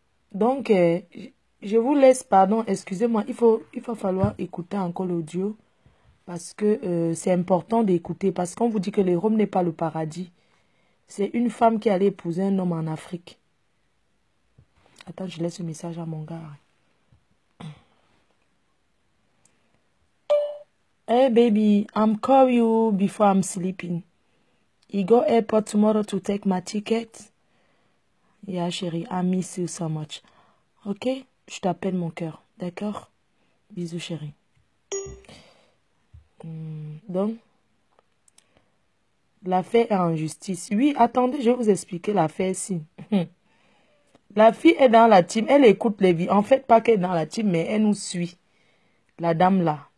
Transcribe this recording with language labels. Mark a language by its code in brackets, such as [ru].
[fr] Donc, je vous laisse, pardon, excusez-moi, il va falloir écouter encore l'audio parce que c'est important d'écouter parce qu'on vous dit que l'Europe n'est pas le paradis. C'est une femme qui allait épouser un homme en Afrique. Attends, je laisse le message à mon gars. [en] Hey baby, I'm call you before I'm sleeping. You go airport tomorrow to take my ticket. Yeah, chérie, I miss you so much. [fr] Ok, je t'appelle mon cœur, d'accord? Bisous, chérie. Donc, l'affaire est en justice. Oui, attendez, je vais vous expliquer l'affaire ici. La fille est dans la team, elle écoute les vies. En fait, pas qu'elle est dans la team, mais elle nous suit. La dame là.